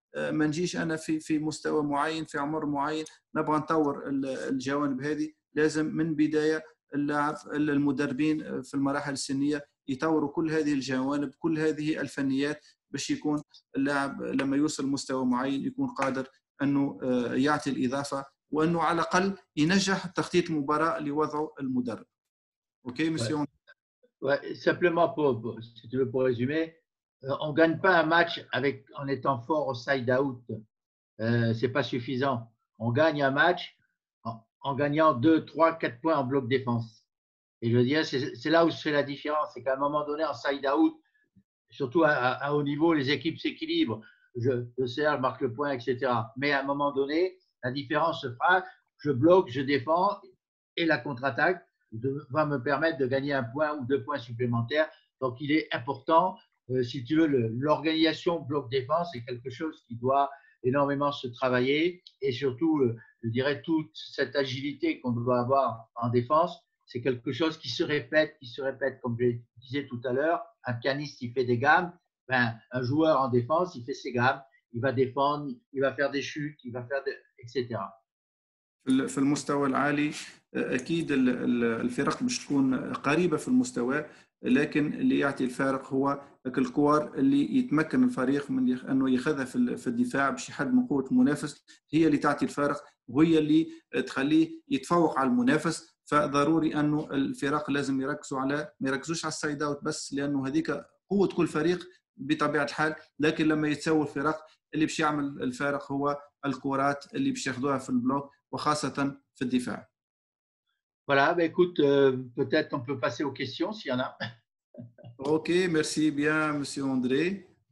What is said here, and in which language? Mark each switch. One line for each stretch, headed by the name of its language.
Arabic: ما نجيش أنا في مستوى معين في عمر معين نبغى نطور الجوانب هذه، لازم من بداية اللاعب المدربين في المراحل السنية يطوروا كل هذه الجوانب، كل هذه الفنيات، باش يكون اللاعب لما يوصل مستوى معين يكون قادر أنه يعطي الإضافة، وأنه على الأقل ينجح تخطيط المباراة لوضعه المدرب. أوكي مسيون؟
French: simplement pour si tu veux pour résumer, on gagne pas un match avec en étant fort au side out, c'est pas suffisant. On gagne un match en gagnant 2, 3, 4 points en bloc défense. Et je veux dire, c'est là où se fait la différence, c'est qu'à un moment donné en side out, surtout à haut niveau, les équipes s'équilibrent. Je sers, je marque le point, etc. Mais à un moment donné, la différence se fera. Je bloque, je défends et la contre-attaque va me permettre de gagner un point ou deux points supplémentaires. Donc il est important, si tu veux, l'organisation bloc-défense est quelque chose qui doit énormément se travailler, et surtout, je dirais, toute cette agilité qu'on doit avoir en défense, c'est quelque chose qui se répète, comme je disais tout à l'heure, un pianiste il fait des gammes, ben, un joueur en défense il fait ses gammes, il va défendre, il va faire des chutes, il va faire des... etc.
Arabic: في المستوى العالي أكيد الفرق مش تكون قريبة في المستوى، لكن اللي يعطي الفارق هو الكوار اللي يتمكن الفريق من أنه يخذها في الدفاع بشي حد من قوة المنافس، هي اللي تعطي الفارق وهي اللي تخليه يتفوق على المنافس. فضروري أنه الفرق لازم يركزوا على ما يركزوش على السايد أوت بس، لأنه هذيك قوة كل فريق بطبيعة الحال، لكن لما يتساوي الفرق اللي بشي يعمل الفارق هو الكورات اللي بشي يخذوها في البلوك وخاصة في الدفاع.
French: Voilà, bah écoute, peut-être on peut passer aux questions s'il y en a. OK, merci bien monsieur André.